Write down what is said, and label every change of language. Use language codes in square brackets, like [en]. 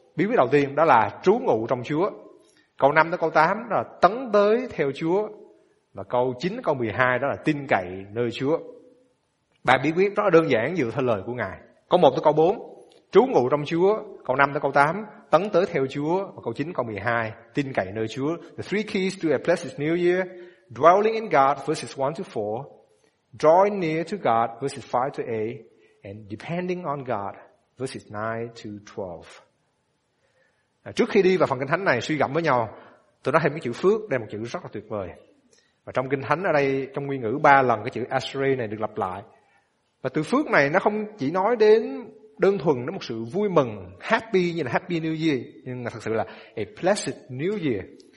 [vi] Bí quyết đầu tiên đó là trú ngụ trong Chúa. Câu 5 tới câu 8 đó là tấn tới theo Chúa. Và câu 9 tới câu 12 đó là tin cậy nơi Chúa. Ba bí quyết rất là đơn giản dựa theo lời của Ngài. Câu 1 tới câu 4, trú ngụ trong Chúa. Câu 5 tới câu 8, tấn tới theo Chúa. Và câu 9 tới câu 12, tin cậy nơi Chúa. [en] The three keys to a blessed new year: dwelling in God, verses 1 to 4. Drawing near to God, verses 5 to 8. And depending on God, verses 9 to 12. [vi] Trước khi đi vào phần kinh thánh này suy gẫm với nhau, tôi nói thêm cái chữ phước, đây là một chữ rất là tuyệt vời. Và trong kinh thánh ở đây, trong nguyên ngữ ba lần cái chữ Asheri này được lặp lại. Và từ phước này nó không chỉ nói đến đơn thuần nó một sự vui mừng, happy như là [en] happy new year, [vi] nhưng mà thật sự là [en] a blessed new year.